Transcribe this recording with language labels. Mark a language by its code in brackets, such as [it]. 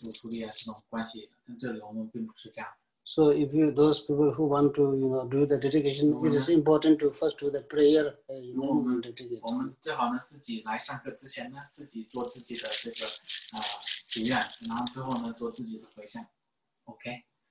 [zh] 如果是以其他的方式呢，才会有这种师父徒弟啊这种关系。但这里我们并不是这样。So [en] if you those people who want to you know do the dedication, it is important to first do the prayer. [zh] 我们最好呢自己来上课之前呢，自己做自己的这个祈愿，然后最后呢做自己的回向。Okay.